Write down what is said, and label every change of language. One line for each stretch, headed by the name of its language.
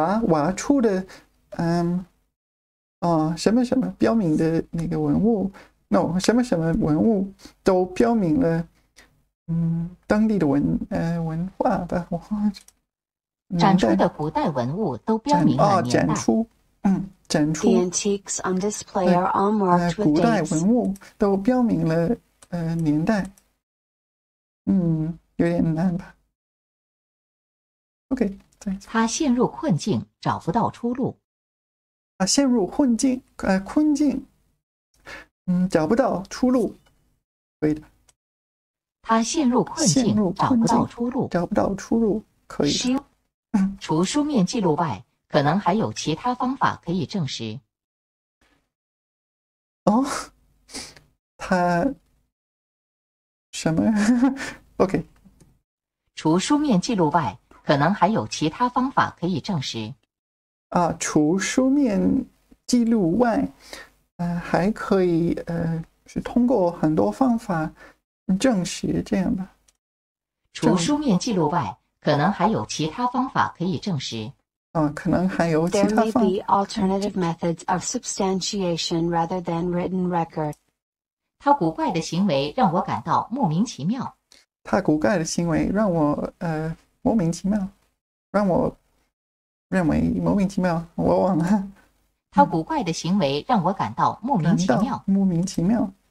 Chinese: 挖出的，什么什么标明的那个文物 ？No， 什么什么文物都标明了，当地的文化吧。展出的古代文物都标明了年代。展出。
English: The antiques on display are all marked with dates.
Chinese: 古代文物都标明了年代。有点难吧。OK， 再次。他陷入困境，找不到出路。陷入困境，困境，找不到出路，可以的。他陷入困境，找不到出路，找不到出路，可以的。除书面记录外，可能还有其他方法可以证实。他什么？OK。除书面记录外，可能还有其他方法可以证实。除书面记录外，还可以是通过很多方法证实，这样吧。除书面记录外，可能还有其他方法可以证实。可能还有其他方法。
English: There may be alternative methods of substantiation rather than written record.
Chinese: 他古怪的行为让我感到莫名其妙。他古怪的行为让我莫名其妙，让我。认为莫名其妙，我忘了。他古怪的行为让我感到莫名其妙。莫名其妙。